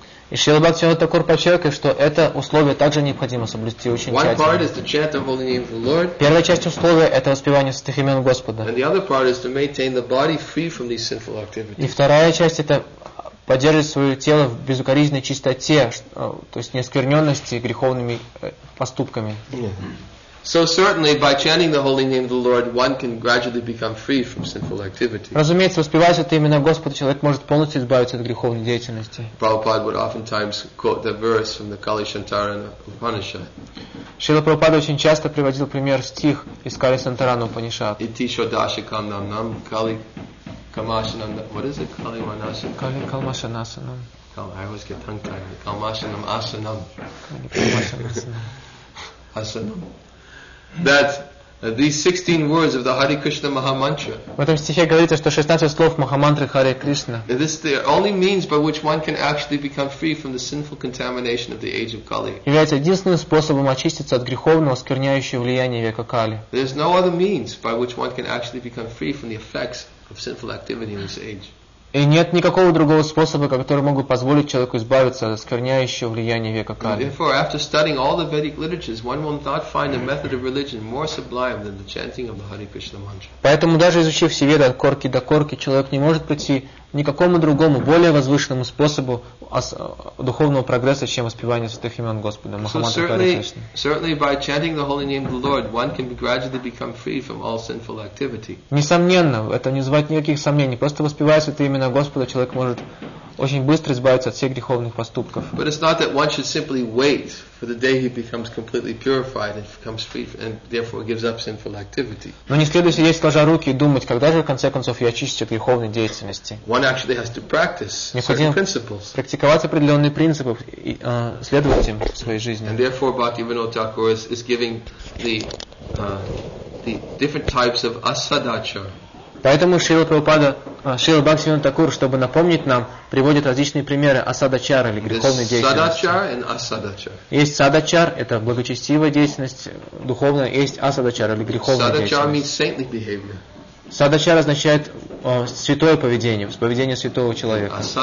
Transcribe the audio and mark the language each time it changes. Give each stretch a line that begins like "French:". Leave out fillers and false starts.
Russian: И Шрила Бхактивинода Тхакур подчеркивает, что это условие также необходимо соблюсти очень тщательно. Первая часть условия – это воспевание святых имен Господа. И вторая часть – это поддерживать свое тело в безукоризненной чистоте, то есть неоскверненности греховными поступками.
English: So certainly, by chanting the holy name of the Lord, one can gradually become free from sinful activity.
Russian: Разумеется, воспевая это имя Господа, человек может полностью избавиться от греховной деятельности.
English: Prabhupada would oftentimes quote the verse from the Kali Shantarana Upanishad.
Russian: Шрила Прабхупада очень часто приводил пример стих из Кали Шантарана Упанишад.
Sanskrit: Iti shodashikam nam nam kali kamashanam.
English: What is it?
Sanskrit: Kali manasanam. Kali kamashanasanam.
English: I always get tongue-tied.
Sanskrit: Kamashanam asanam. Kali kamashanasanam.
English: Asanam. That these 16 words of the Hare Krishna Maha Mantra.
Russian: В этом стихе говорится, что 16 слов Махамантры Харе Кришна.
English: This is the only means by which one can actually become free from the sinful contamination of the age of Kali.
Russian: Является единственным способом очиститься от греховного оскверняющего влияния века Кали.
English: There's no other means by which one can actually become free from the effects of sinful activity in this age.
Russian: И нет никакого другого способа, который мог бы позволить человеку избавиться от оскверняющего влияния века Кали.
English: Therefore, after studying all the Vedic literatures, one will not find a method of religion more sublime than the chanting of the Hare Krishna Mantra.
Russian: Поэтому даже изучив все Веды от корки до корки, человек не может прийти никакому другому, более возвышенному способу духовного прогресса, чем воспевание святых имен Господа.
English: Certainly, by chanting the holy name of the Lord, one can gradually become free from all sinful activity.
Russian: Несомненно, это не вызывает никаких сомнений. Просто воспевая святые имена Господа, человек может очень быстро избавиться от всех греховных поступков.
English: But it's not that one should simply wait for the day he becomes completely purified and becomes free and therefore gives up sinful activity.
Russian: Но не следует сидеть сложа руки и думать, когда же в конце концов я очистить от греховной деятельности.
English: One actually has to practice certain principles.
Russian: Практиковать определенные принципы и следовать им в своей жизни.
English: And therefore Bhaktivinoda Thakur is giving the different types of asadacha.
Russian: Поэтому Шрила Прабхупада, Шрила Бхактивинода Такур, чтобы напомнить нам, приводит различные примеры асадачара или греховной деятельности. Есть садачар, это благочестивая деятельность духовная, есть асадачар или греховная деятельность. Садачар означает святое поведение, поведение святого человека.